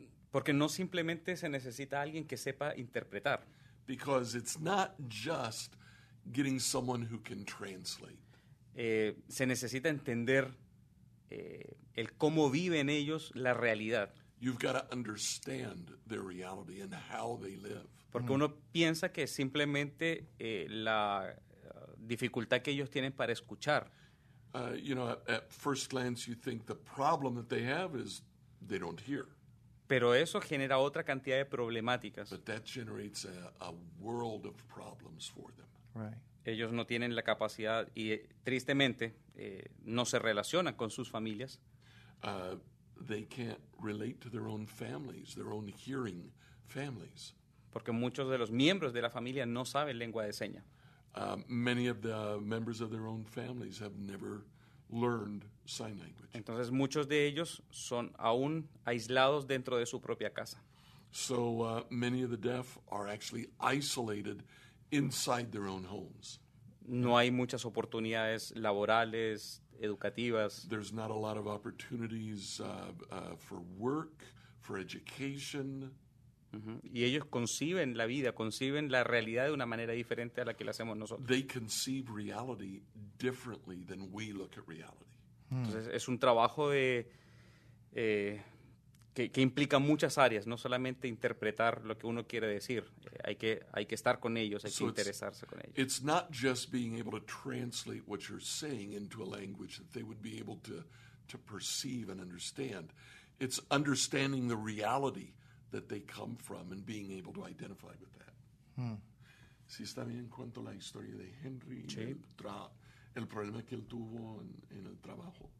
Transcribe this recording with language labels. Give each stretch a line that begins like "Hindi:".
Spanish: Porque no simplemente se necesita alguien que sepa interpretar.
English: Because it's not just getting someone who can translate.
Spanish: Se necesita entender el cómo viven ellos la realidad.
English: You've got to understand their reality and how they live.
Spanish: Porque uno piensa que simplemente la dificultad que ellos tienen para escuchar.
English: You know, at first glance you think the problem that they have is they don't hear.
Spanish: Pero eso genera otra cantidad de problemáticas.
English: But that generates a world of problems for them. Right.
Spanish: Ellos no tienen la capacidad y, tristemente, no se relacionan con sus familias.
English: They can't relate to their own families, their own hearing families.
Spanish: Porque muchos de los miembros de la familia no saben lengua de seña.
English: Many of the members of their own families have never learned sign language.
Spanish: Entonces, muchos de ellos son aún aislados dentro de su propia casa.
English: So, many of the deaf are actually isolated inside their own homes.
Spanish: No hay muchas oportunidades laborales, educativas.
English: There's not a lot of opportunities for work, for education.
Spanish: Y ellos conciben la vida, conciben la realidad de una manera diferente a la que la hacemos nosotros.
English: They conceive reality differently than we look at reality.
Spanish: Entonces es un trabajo de que implica muchas áreas, no solamente interpretar lo que uno quiere decir. Hay que estar con ellos, hay que interesarse con ellos.
English: It's not just being able to translate what you're saying into a language that they would be able to perceive and understand. It's understanding the reality that they come from and being able to identify with that.
Spanish: Si está bien en cuanto a la historia de Henry, el problema que él tuvo en el trabajo.